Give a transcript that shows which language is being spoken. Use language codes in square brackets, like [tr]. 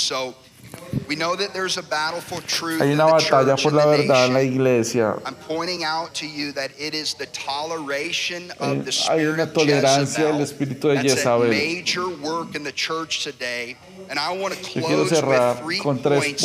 [en] So, we know that there's a battle for truth. [es] Hay una batalla por la verdad en la iglesia. [en] I'm pointing out to you that it is the toleration of the spirit. [es] Hay una tolerancia del espíritu de Jezabel. [en] That's a major work in the church today, and I want to close with three points.